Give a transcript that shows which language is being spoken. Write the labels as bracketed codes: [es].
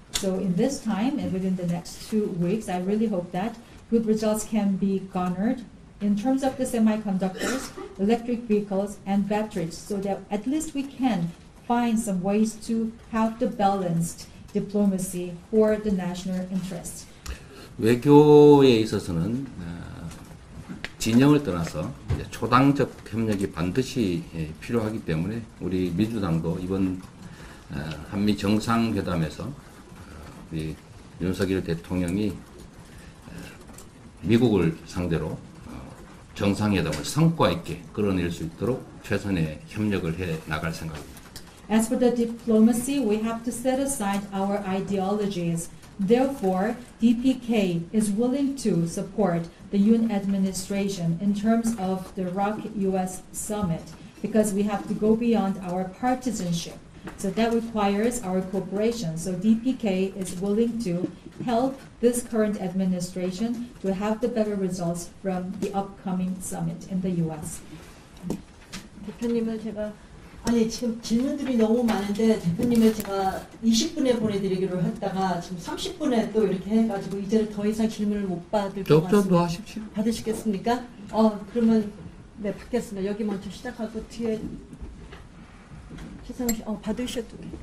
[en] So in this time and within the next 2 weeks, I really hope that good results can be garnered in terms of the semiconductors, electric vehicles, and batteries, so that at least we can find some ways to have the balanced diplomacy for the national interest. [ko] 외교에 있어서는 진영을 떠나서 초당적 협력이 반드시 필요하기 때문에 우리 민주당도 이번 한미 정상회담에서 우리 윤석열 대통령이 미국을 상대로 정상회담을 성과 있게 끌어낼 수 있도록 최선의 협력을 해 나갈 생각입니다. [en] As for the diplomacy, we have to set aside our ideologies. Therefore, DPK is willing to support the Yoon administration in terms of the ROC-US summit because we have to go beyond our partisanship. So that requires our cooperation. So DPK is willing to help this current administration to have the better results from the upcoming summit in the U.S. [ko] 대표님을 제가 아니 지금 질문들이 너무 많은데 대표님을 제가 20분에 보내드리기로 했다가 지금 30분에 또 이렇게 해가지고 이제는 더 이상 질문을 못 받을 것 같습니다. 더 하십시오. 받으시겠습니까? 그러면 네 받겠습니다. 여기 먼저 시작하고 뒤에 최상우 씨 받으셔도 돼요.